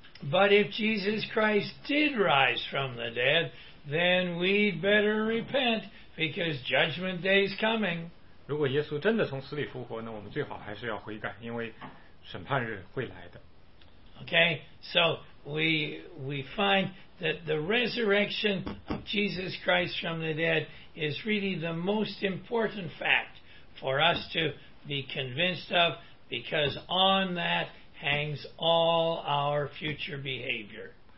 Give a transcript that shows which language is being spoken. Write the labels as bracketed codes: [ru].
[en] But if Jesus Christ did rise from the dead, then we'd better repent. Because judgment day is coming. [zh] 如果耶稣真的从死里复活，那我们最好还是要悔改，因为审判日会来的。 [en] Okay, so we find that the resurrection of Jesus Christ from the dead is really the most important fact for us to be convinced of, because on that hangs all our future behavior.